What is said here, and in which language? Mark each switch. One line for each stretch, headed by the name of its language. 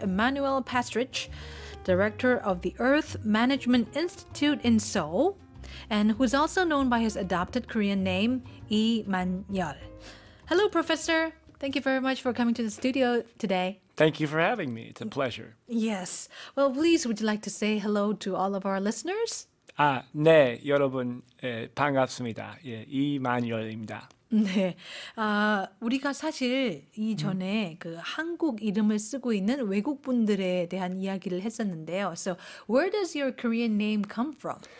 English: Emanuel Pastreich, director of the Earth Management Institute in Seoul, and who's also known by his adopted Korean name, Emanuel. Hello, Professor. Thank you very much for coming to the studio today. Thank you for having me. It's a pleasure. Yes. Well, please, would you like to say hello to all of our listeners?
Korean: 아, 네, 여러분, 예, 반갑습니다. 예, 이만열입니다. 네, 아, 우리가 사실 이전에 그 한국 이름을 쓰고 있는 외국 분들에 대한 이야기를 했었는데요.
English: So, where does your Korean name come from?